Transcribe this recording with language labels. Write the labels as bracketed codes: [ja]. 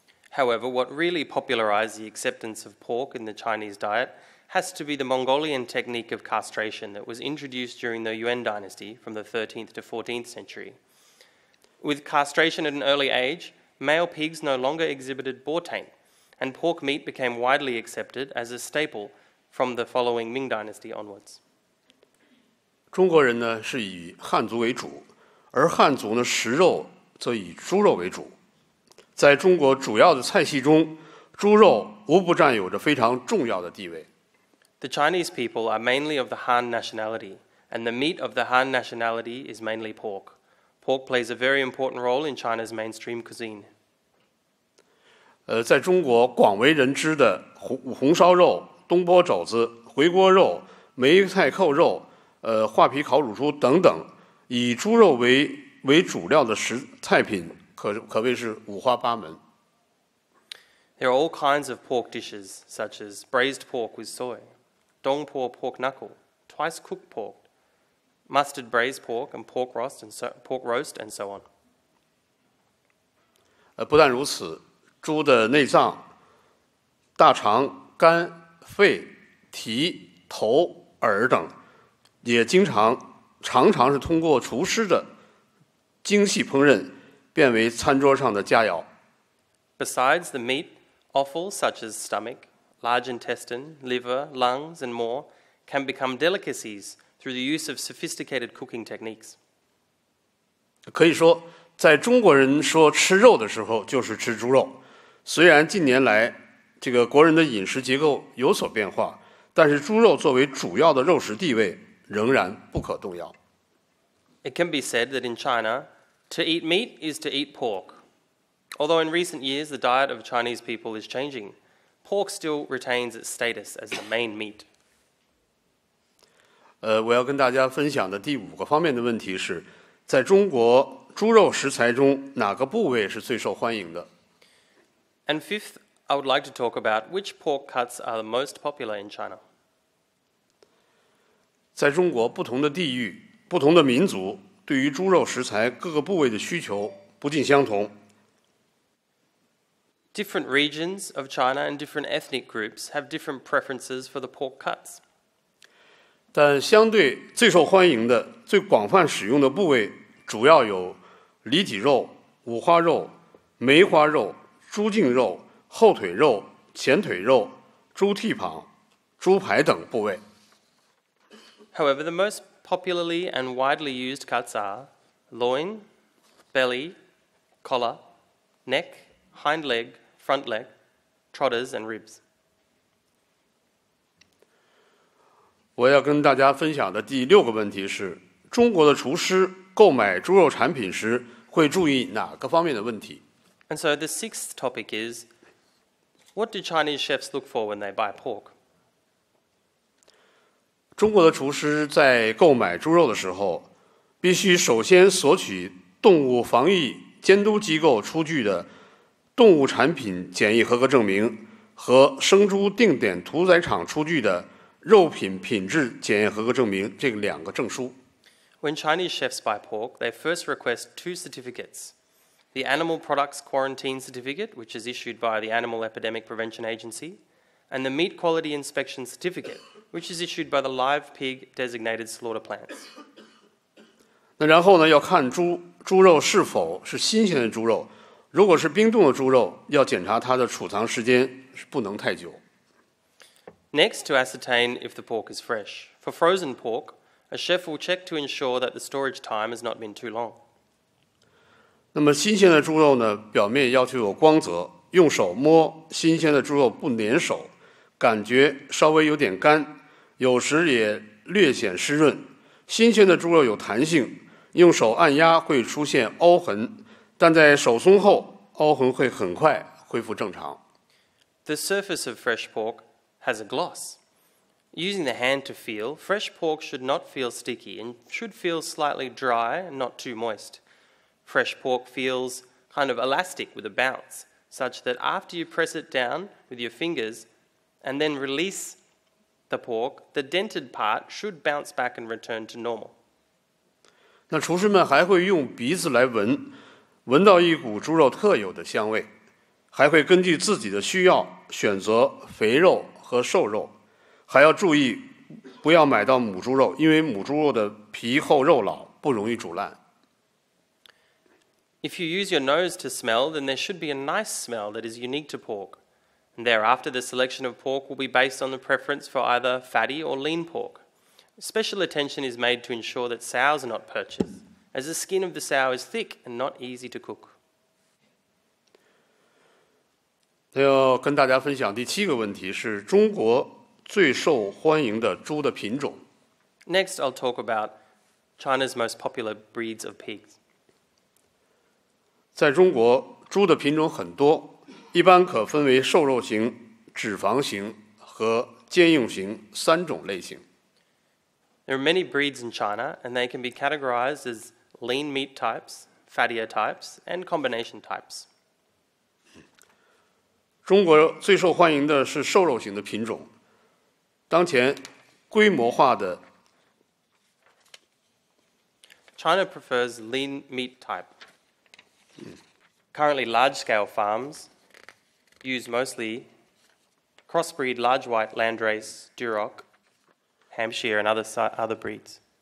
[en] However, what really popularized the acceptance of pork in the Chinese diet has to be the Mongolian technique of castration that was introduced during the Yuan Dynasty from the 13th to 14th century. With castration at an early age, male pigs no longer exhibited boar taint, and pork meat became widely accepted as a staple from the following Ming Dynasty onwards. [zh] 中国人呢是以汉族为主，而汉族呢食肉则以猪肉为主。在中国主要的菜系中，猪肉无不占有着非常重要的地位。 [en] The Chinese people are mainly of the Han nationality, and the meat of the Han nationality is mainly pork. Pork plays a very important role in China's mainstream cuisine. [zh] 在中国广为人知的 红烧肉、东坡肘子、回锅肉、梅菜扣肉、画皮烤乳猪等等，以猪肉 为主料的食菜品 可谓是五花八门。 [en] There are all kinds of pork dishes, such as braised pork with soy, dongpo pork knuckle, twice cooked pork, mustard braised pork, and pork roast, and so on. [zh] 不但如此，猪的内脏、大肠、肝、肺、蹄、头、耳等也常常是通过厨师的精细烹饪变为餐桌上的佳肴。 [en] Besides the meat, offal such as stomach, large intestine, liver, lungs, and more can become delicacies through the use of sophisticated cooking techniques. [zh] 可以说，在中国人说吃肉的时候就是吃猪肉。虽然近年来这个国人的饮食结构有所变化，但是猪肉作为主要的肉食地位仍然不可动摇。 [en] It can be said that in China, to eat meat is to eat pork. Although in recent years the diet of Chinese people is changing, pork still retains its status as the main meat. [zh] 我要跟大家分享的第五个方面的问题是，在中国猪肉食材中哪个部位是最受欢迎的 [en] ？And fifth, I would like to talk about which pork cuts are the most popular in China. [zh] 在中国不同的地域、不同的民族对于猪肉食材各个部位的需求不尽相同。 [en] Different regions of China and different ethnic groups have different preferences for the pork cuts. [zh] 但相对最受欢迎的、最广泛使用的部位主要有里脊肉、五花肉、梅花肉、猪颈肉、后腿肉、前腿肉、猪蹄膀、猪排等部位。 [en] However, the most popularly and widely used cuts are loin, belly, collar, neck, hind leg, front leg, trotters, and ribs. [zh] 我要跟大家分享的第六个问题是，中国的厨师购买猪肉产品时会注意哪个方面的问题？ [en] And so the sixth topic is, what do Chinese chefs look for when they buy pork? [zh] 中国的厨师在购买猪肉的时候，必须首先索取动物防疫监督机构出具的动物产品检疫合格证明和生猪定点屠宰场出具的肉品品质检验合格证明这个两个证书。 [en] When Chinese chefs buy pork, they first request two certificates. The Animal Products Quarantine Certificate, which is issued by the Animal Epidemic Prevention Agency, and the Meat Quality Inspection Certificate, which is issued by the Live Pig Designated Slaughter Plants. [zh] 那然后呢，要看猪肉是否是新鲜的猪肉，如果是冰冻的猪肉，要检查它的储藏时间是不能太久。 [en] Next, to ascertain if the pork is fresh. For frozen pork, a chef will check to ensure that the storage time has not been too long. [zh] 那么新鲜的猪肉呢，表面要求有光泽，用手摸新鲜的猪肉不粘手，感觉稍微有点干，有时也略显湿润。新鲜的猪肉有弹性，用手按压会出现凹痕，但在手松后，凹痕会很快恢复正常。 [en] The surface of fresh pork has a gloss. Using the hand to feel, fresh pork should not feel sticky and should feel slightly dry, not too moist. Fresh pork feels kind of elastic with a bounce, such that after you press it down with your fingers and then release the pork, the dented part should bounce back and return to normal. [zh] 那厨师们还会用鼻子来闻，闻到一股猪肉特有的香味，还会根据自己的需要选择肥肉和瘦肉，还要注意不要买到母猪肉，因为母猪肉的皮厚肉老，不容易煮烂。 [en] If you use your nose to smell, then there should be a nice smell that is unique to pork. And thereafter, the selection of pork will be based on the preference for either fatty or lean pork. Special attention is made to ensure that sows are not purchased, as the skin of the sow is thick and not easy to cook. [zh] 那要跟大家分享第七个问题是中国最受欢迎的猪的品种。 [en] Next, I'll talk about China's most popular breeds of pigs. [zh] 在中国，猪的品种很多，一般可分为瘦肉型、脂肪型和坚硬型三种类型。 [en] There are many breeds in China, and they can be categorized as lean meat types, fattier types, and combination types. [zh] 中国最受欢迎的是瘦肉型的品种。当前规模化的 [en] China prefers lean meat type. Currently, large-scale farms use mostly crossbreed large white Landrace, Duroc, Hampshire, and other breeds.